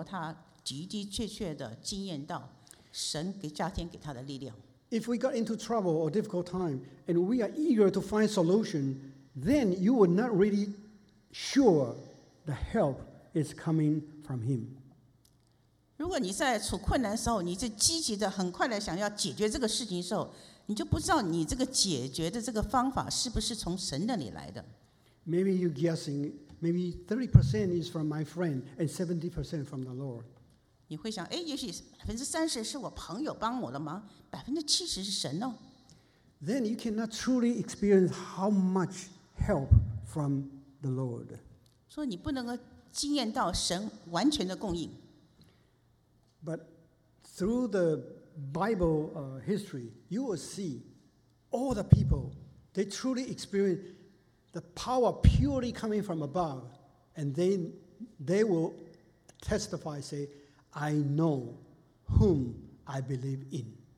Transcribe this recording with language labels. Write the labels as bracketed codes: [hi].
[zh] 就在这样一个处境中，是保罗他的确确的经验到。 [en] If we got into trouble or difficult time and we are eager to find solution, then you are not really sure the help is coming from him. [zh] 如果你在处困难时候，你是积极的、很快的想要解决这个事情的时候， 你就不知道你这个解决的这个方法是不是从神那里来的。 [en] Maybe you're guessing, maybe 30% is from my friend and 70% from the Lord. [zh] 你会想, 诶, 也许30%是我朋友帮我的吗? 70%是神哦。 [en] Then you cannot truly experience how much help from the Lord. [zh] 所以你不能够经验到神完全的供应。 [en] But through the Bible history, you will see all the people, they truly experience the power purely coming from above, and then they will testify, say, I know whom I believe in.